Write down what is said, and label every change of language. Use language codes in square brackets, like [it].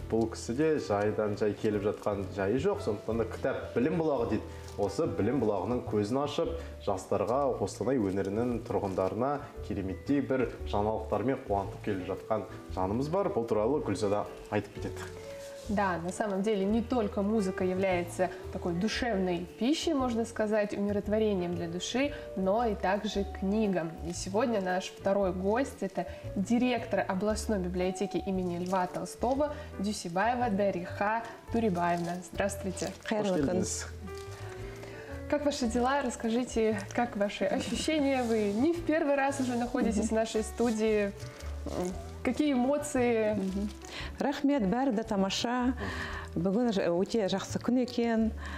[kk] Бұл кісі де жайдан жай келіп жатқан жайы жоқ. Сондықтан кітап білім бұлағы дейді. Осы білім бұлағының көзін ашып, жастарға, Қостанай өңірінің тұрғындарына кереметтей бір жаңалықтармен қуантып келіп жатқан жанымыз бар. Бұл туралы Гүлзада айтып кетеді. [ru] Да, на самом деле не только музыка является такой душевной пищей, можно сказать, умиротворением для души, но и также книга. И сегодня наш второй гость – это директор областной библиотеки имени Льва Толстого Дюсебаева Дариха Турибаевна. Здравствуйте. Хэрлэкэнс. Как ваши дела? Расскажите, как ваши ощущения? Вы не в первый раз уже находитесь в нашей студии. Какие эмоции? [kk] Рахмет, бәрді тамаша. Бүгін өте жақсы күн екен.